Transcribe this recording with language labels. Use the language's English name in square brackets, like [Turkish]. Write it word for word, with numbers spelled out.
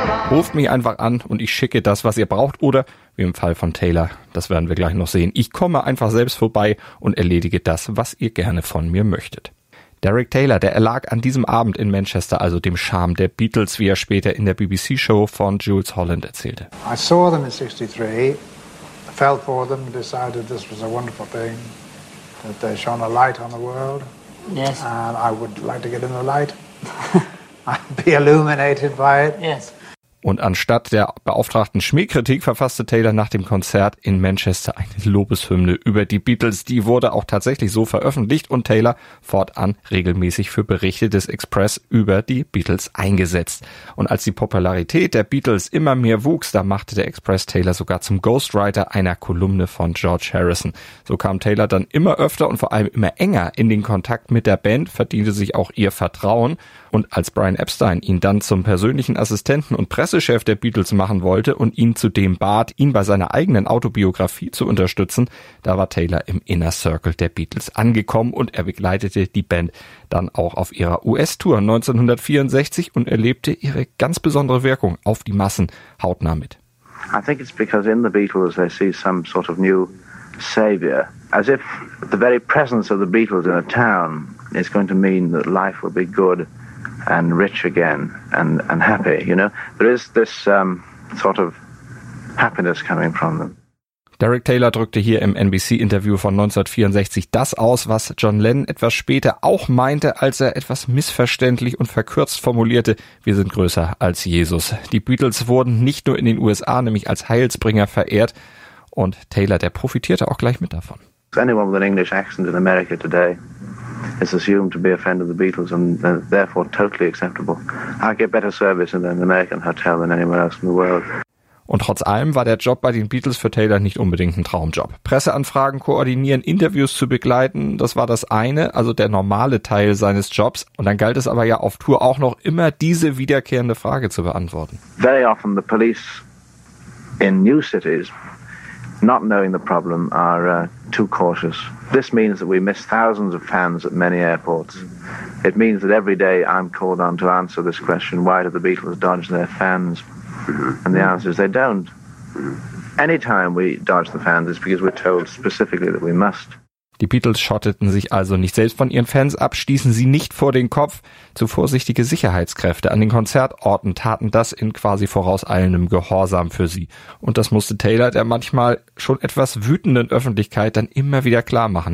[German] Ruft mich einfach an und ich schicke das, was ihr braucht, oder, wie im Fall von Taylor, das werden wir gleich noch sehen, ich komme einfach selbst vorbei und erledige das, was ihr gerne von mir möchtet. Derek Taylor, der erlag an diesem Abend in Manchester also dem Charme der Beatles, wie er später in der B B C-Show von Jules Holland erzählte. [English] I saw them in sixty-three, fell for them, decided this was a wonderful thing, that they shone a light on the world, yes, and I would like to get in the light, I'd be illuminated by it. Yes. [German] Und anstatt der beauftragten Schmähkritik verfasste Taylor nach dem Konzert in Manchester eine Lobeshymne über die Beatles. Die wurde auch tatsächlich so veröffentlicht und Taylor fortan regelmäßig für Berichte des Express über die Beatles eingesetzt. Und als die Popularität der Beatles immer mehr wuchs, da machte der Express Taylor sogar zum Ghostwriter einer Kolumne von George Harrison. So kam Taylor dann immer öfter und vor allem immer enger in den Kontakt mit der Band, verdiente sich auch ihr Vertrauen. Und als Brian Epstein ihn dann zum persönlichen Assistenten und Presse Chef der Beatles machen wollte und ihn zudem bat, ihn bei seiner eigenen Autobiografie zu unterstützen, da war Taylor im Inner Circle der Beatles angekommen und er begleitete die Band dann auch auf ihrer U S-Tour neunzehnhundertvierundsechzig und erlebte ihre ganz besondere Wirkung auf die Massen hautnah mit. [English] I think it's because in the Beatles they see some sort of new savior, as if the very presence of the Beatles in a town is going to mean that life will be good and rich again, and, and happy, you know. There is this um, sort of happiness coming from them. [German] Derek Taylor drückte hier im N B C-Interview von neunzehnhundertvierundsechzig das aus, was John Lennon etwas später auch meinte, als er etwas missverständlich und verkürzt formulierte, wir sind größer als Jesus. Die Beatles wurden nicht nur in den U S A, nämlich als Heilsbringer verehrt, und Taylor, der profitierte auch gleich mit davon. [English] Anyone with an English accent in America today is assumed to be a friend of the Beatles and therefore totally acceptable. I get better service in an American hotel than anywhere else in the world. [German] Und trotz allem war der Job bei den Beatles für Taylor nicht unbedingt ein Traumjob. Presseanfragen koordinieren, Interviews zu begleiten, das war das eine, also der normale Teil seines Jobs. Und dann galt es aber ja auf Tour auch noch immer, diese wiederkehrende Frage zu beantworten. [English] Very often the police in new cities, not knowing the problem, are uh, too cautious. This means that we miss thousands of fans at many airports. It means that every day I'm called on to answer this question, why do the Beatles dodge their fans? And the answer is they don't. Any time we dodge the fans, it's because we're told specifically that we must. [German] Die Beatles schotteten sich also nicht selbst von ihren Fans ab, stießen sie nicht vor den Kopf. Zu vorsichtige Sicherheitskräfte an den Konzertorten taten das in quasi vorauseilendem Gehorsam für sie. Und das musste Taylor der manchmal schon etwas wütenden Öffentlichkeit dann immer wieder klar machen.